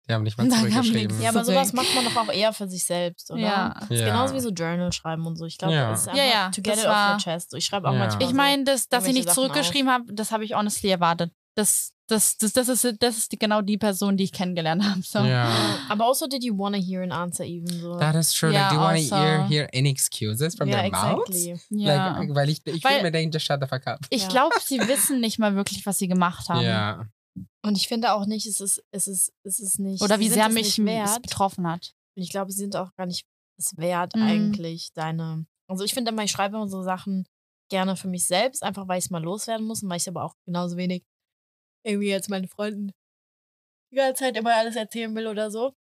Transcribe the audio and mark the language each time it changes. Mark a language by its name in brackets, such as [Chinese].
[German] Die haben nicht mal zurückgeschrieben. Ja, aber sowas macht man doch auch eher für sich selbst, oder? Ja. Das ist genauso wie so Journal schreiben und so. Ich glaube, das ist [English] to get it off your chest. [German] Ich schreibe auch manchmal. Ich meine, dass ich nicht zurückgeschrieben habe, das habe ich honestly erwartet. Das ist genau die Person, die ich kennengelernt habe. So. Yeah. Aber also, [English] did you want to hear an answer even? So? That is true. Yeah, like, do you want to hear any excuses from their mouths? Yeah. Like, [German] weil ich will mir denken, [English] just shut the fuck up. [German] Ich glaube, sie wissen nicht mal wirklich, was sie gemacht haben. Yeah. Und ich finde auch nicht, es ist nicht. Oder wie sehr mich es betroffen hat. Und ich glaube, sie sind auch gar nicht es wert eigentlich, deine. Also ich finde immer, ich schreibe immer so Sachen gerne für mich selbst, einfach weil ich es mal loswerden muss und weil ich aber auch genauso wenig irgendwie jetzt meinen Freunden die ganze Zeit immer alles erzählen will oder so.